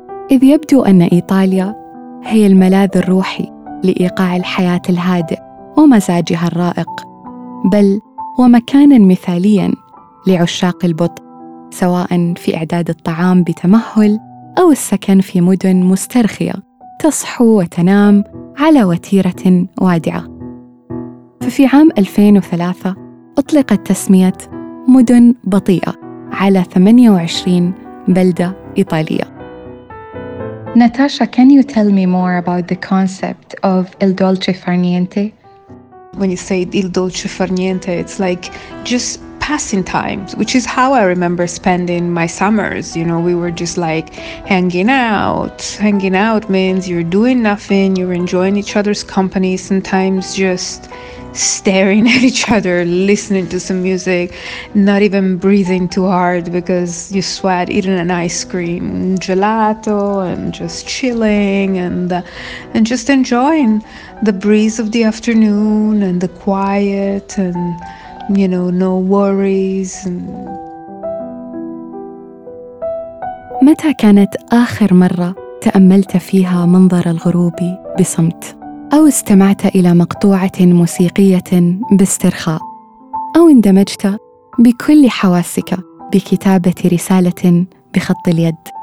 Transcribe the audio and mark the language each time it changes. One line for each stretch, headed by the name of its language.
Arabic: إذ يبدو أن إيطاليا هي الملاذ الروحي لإيقاع الحياة الهادئ ومزاجها الرائق، بل ومكاناً مثالياً لعشاق البطء، سواء في إعداد الطعام بتمهل أو السكن في مدن مسترخية تصحو وتنام على وتيرة وادعة. ففي عام 2003 أطلقت تسمية مدن بطيئة على 28 بلدة إيطالية.
English: Natasha, can you tell me more about the concept of il dolce far niente? When you say il dolce far niente, it's like just passing times, which is how I remember spending my summers. You know, we were just like hanging out. Hanging out means you're doing nothing, you're enjoying each other's company, sometimes just staring at each other, listening to some music, not even breathing too hard because you sweat, eating an ice cream, gelato, and just chilling and just enjoying the breeze of the afternoon and the quiet and, you know, no worries.
Arabic: متى كانت آخر مرة تأملت فيها منظر الغروب بصمت؟ أو استمعت إلى مقطوعة موسيقية باسترخاء؟ أو اندمجت بكل حواسك بكتابة رسالة بخط اليد؟